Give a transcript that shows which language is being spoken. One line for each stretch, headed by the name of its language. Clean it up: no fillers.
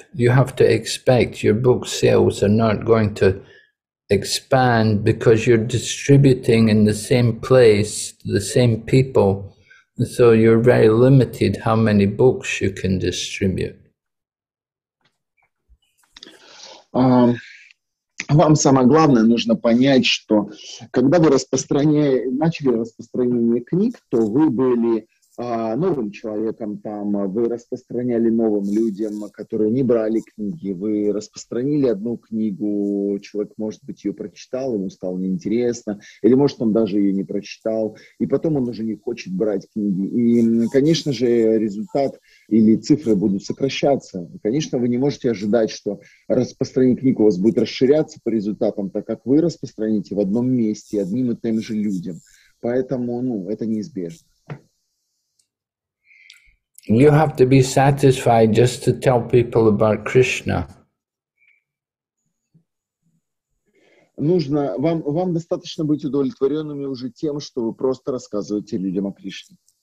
English: You have to expect your book sales are not going to expand because you're distributing in the same place, the same people, so you're very limited how many books you can distribute.
Russian: Вам самое главное нужно понять, что когда вы начали распространение книг, то вы были новым человеком там, вы распространяли новым людям, которые не брали книги, вы распространили одну книгу, человек, может быть, ее прочитал, ему стало неинтересно, или, может, он даже ее не прочитал, и потом он уже не хочет брать книги. И, конечно же, результат или цифры будут сокращаться. Конечно, вы не можете ожидать, что распространение книг у вас будет расширяться по результатам, так как вы распространите в одном месте одним и тем же людям. Поэтому, ну, это неизбежно.
English: You have to be satisfied just to tell people about Krishna.
Russian: Нужно вам достаточно быть удовлетворенными уже тем, что вы просто рассказываете людям о Кришне.